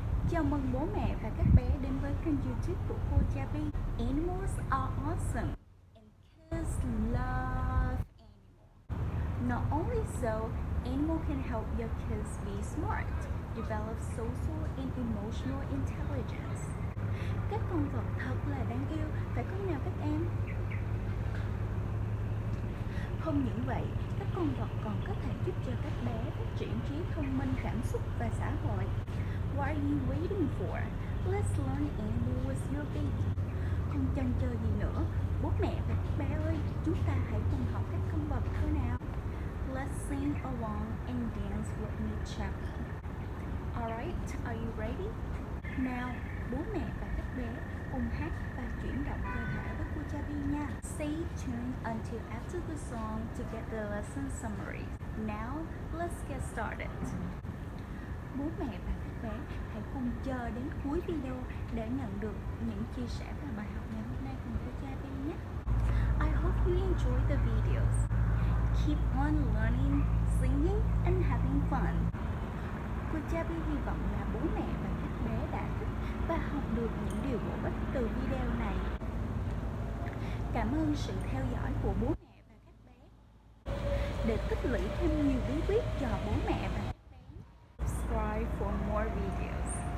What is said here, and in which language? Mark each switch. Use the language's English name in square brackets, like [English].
[Vietnamese] Chào mừng bố mẹ và các bé đến với kênh YouTube của cô Gia Vy. [English] Animals are awesome and kids love animals. Not only so, animals can help your kids be smart, develop social and emotional intelligence. [Vietnamese] Các con vật thật là đáng yêu, phải không nào các em? Không những vậy, các con vật còn có thể giúp cho các bé phát triển trí thông minh, cảm xúc và xã hội. [English] What are you waiting for? Let's learn animals with your baby. [Vietnamese] Không chần chờ gì nữa, bố mẹ và các bé ơi, chúng ta hãy cùng học các con vật thôi nào. [English] Let's sing along and dance with me, Chappie. Alright, are you ready? [Vietnamese] Now, bố mẹ và các bé cùng hát và chuyển động cơ thể với cô Chappie nha. [English] Stay tuned until after the song to get the lesson summary. Now, let's get started. [Vietnamese] Bố mẹ và các bé hãy cùng chờ đến cuối video để nhận được những chia sẻ và bài học ngày hôm nay cùng cô Chappie nhé. [English] I hope you enjoy the videos. Keep on learning, singing and having fun. [Vietnamese] Cô Chappie hy vọng là bố mẹ và các bé đã thích và học được những điều bổ ích từ video này. Cảm ơn sự theo dõi của bố mẹ và các bé. Để tích lũy thêm nhiều bí quyết cho bố mẹ và các bé, [English] subscribe for more videos.